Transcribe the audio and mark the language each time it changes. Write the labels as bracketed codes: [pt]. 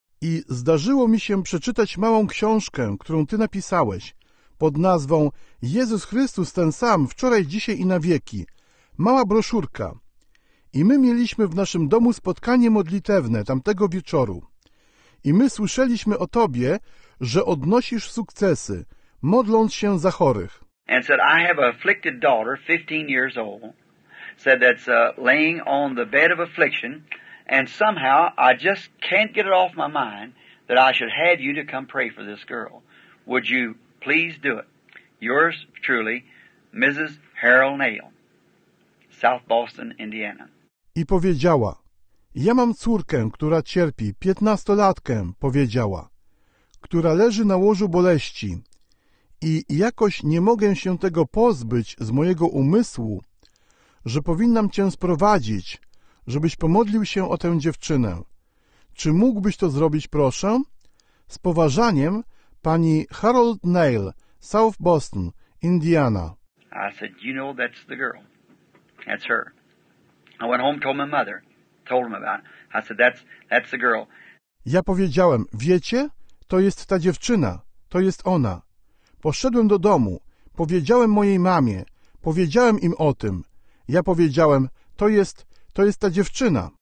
[pl] I zdarzyło mi się przeczytać małą książkę, którą ty napisałeś, pod nazwą Jezus Chrystus ten sam wczoraj, dzisiaj i na wieki. Mała broszurka. I my mieliśmy w naszym domu spotkanie modlitewne tamtego wieczoru. I my słyszeliśmy o tobie, że odnosisz sukcesy, modląc się za chorych. [en] And said, I have an afflicted daughter, 15 years old, said that's laying on the bed of affliction, and somehow I just can't get it off my mind that I should have you to come pray for this girl. Would you please do it? Yours truly, Mrs. Harold Nail, South Boston, Indiana. [pl] I powiedziała, ja mam córkę, która cierpi, 15-latkę, powiedziała, która leży na łożu boleści. I jakoś nie mogę się tego pozbyć z mojego umysłu, że powinnam cię sprowadzić, żebyś pomodlił się o tę dziewczynę. Czy mógłbyś to zrobić, proszę? Z poważaniem, pani Harold Nail, South Boston, Indiana. [en] I said, you know, that's the girl. That's her. I went home, told my mother. Told him about it. I said, that's the girl. [pl] Ja powiedziałem, wiecie, to jest ta dziewczyna, to jest ona. Poszedłem do domu, powiedziałem mojej mamie, powiedziałem im o tym. Ja powiedziałem, to jest ta dziewczyna.